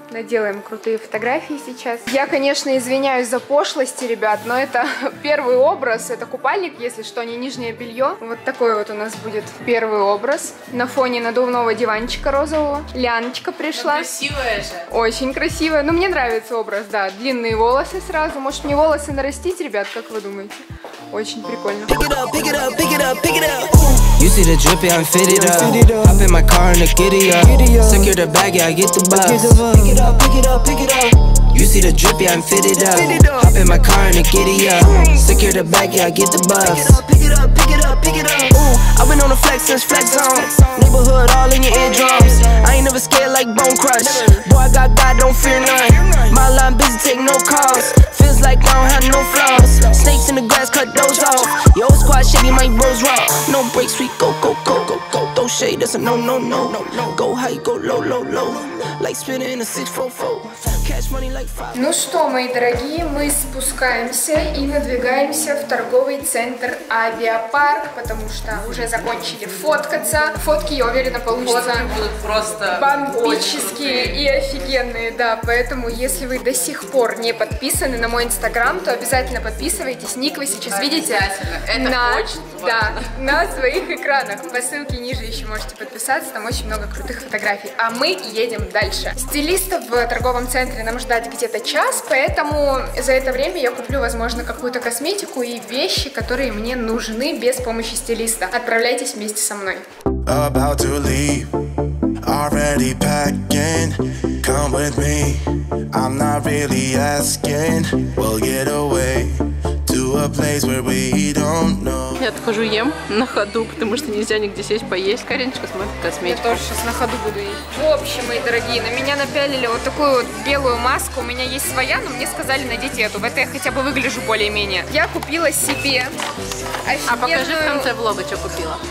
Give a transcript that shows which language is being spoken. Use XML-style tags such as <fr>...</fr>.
<ru>Наделаем крутые фотографии сейчас. Я, конечно, извиняюсь за пошлости, ребят, но это первый образ, это купальник, если что, не нижнее белье. Вот такой вот у нас будет первый образ. На фоне надувного диванчика розового. Ляночка пришла. Но красивая же. Очень красивая, ну мне нравится образ, да. Длинные волосы сразу, может мне волосы нарастить, ребят, как вы думаете? Очень прикольно.</ru> <en>You see the drippy, I'm fitted up. Hop in my car in the giddy up. Secure the bag, yeah, I get the bus. Pick it up, pick it up, pick it up. You see the drippy, I'm fitted up. Hop in my car in the giddy up. Secure the bag, yeah, I get the bus. Pick it up, pick it up, pick it up, pick it up. Ooh, I've been on the flex since flex zone. Neighborhood all in your eardrums. I ain't never scared like bone crush. Boy, I got God, don't fear none. My line busy, take no calls. Feels like I don't have no flaws. Snakes in the grass, cut those off. Yo, squad shady, my bros raw. No breaks, we go, go, go, go, go. Throw shade, that's a no, no, no, no, no. Go high, go low, low, low. Like spinning in a 6-4-4.</en> <ru>Ну что, мои дорогие, мы спускаемся и выдвигаемся в торговый центр Авиапарк, потому что уже закончили фоткаться. Фотки, я уверена, получатся. Фотки будут просто бомбические и офигенные, да. Поэтому, если вы до сих пор не подписаны на мой Инстаграм, то обязательно подписывайтесь. Ник вы сейчас видите на своих экранах. По ссылке ниже еще можете подписаться, там очень много крутых фотографий. А мы едем дальше. Стилистов в торговом центре нам ждать где-то час, поэтому за это время я куплю, возможно, какую-то косметику и вещи, которые мне нужны без помощи стилиста. Отправляйтесь вместе со мной.</ru> <en>About to leave, already packing. Come with me, I'm not really asking. We'll get away to a place where we don't know.</en> <ru>Я отхожу, ем на ходу, потому что нельзя нигде сесть поесть. Кариночка смотрит косметику. Я тоже сейчас на ходу буду есть. В общем, мои дорогие, на меня напялили вот такую вот белую маску. У меня есть своя, но мне сказали надеть эту. В этой я хотя бы выгляжу более-менее. Я купила себе офигенную... А покажи в конце влога, что купила.</ru>